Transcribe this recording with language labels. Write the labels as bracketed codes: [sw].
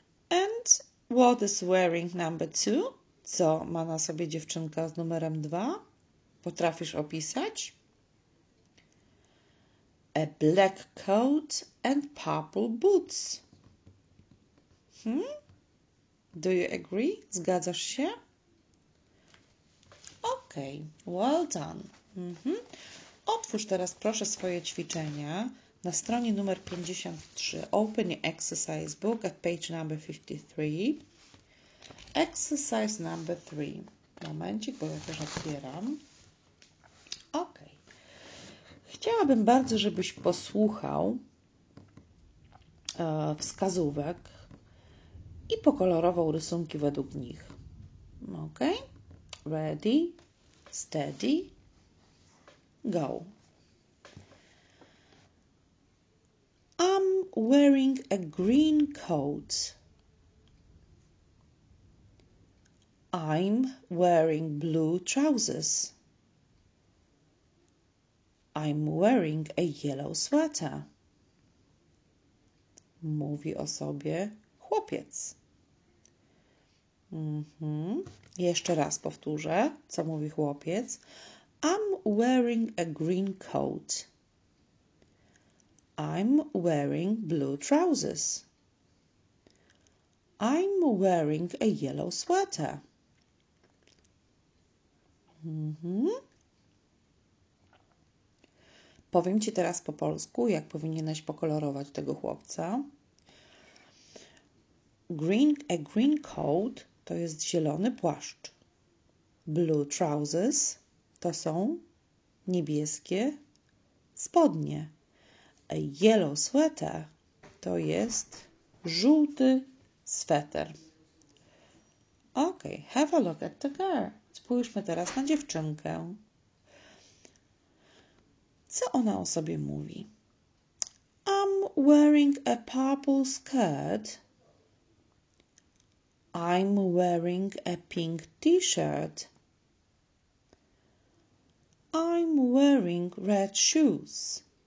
[en] And what is wearing number 2? [pl] Co ma na sobie dziewczynka z numerem 2? Potrafisz opisać? [en] A black coat and purple boots. Do you agree? [pl] Zgadzasz się? [en] Okay, well done. [pl] Otwórz teraz proszę swoje ćwiczenia na stronie numer 53. [en] Open your exercise book at page number 53. Exercise number 3. [pl] Momencik, bo ja też otwieram. Okay. Chciałabym bardzo, żebyś posłuchał wskazówek i pokolorował rysunki według nich. [en] Ok? Ready, steady, go. I'm wearing a green coat. I'm wearing blue trousers. I'm wearing a yellow sweater. [pl] Mówi o sobie chłopiec. Jeszcze raz powtórzę, co mówi chłopiec. [en] I'm wearing a green coat. I'm wearing blue trousers. I'm wearing a yellow sweater. [pl] Powiem ci teraz po polsku, jak powinieneś pokolorować tego chłopca. [en] A green coat [pl] to jest zielony płaszcz. [en] Blue trousers [pl] to są niebieskie spodnie. [en] A yellow sweater [pl] to jest żółty sweter. [en] Ok, have a look at the girl. [pl] Spójrzmy teraz na dziewczynkę. Co ona o sobie mówi? [en] I'm wearing a purple skirt I'm wearing a pink t-shirt. I'm wearing red shoes.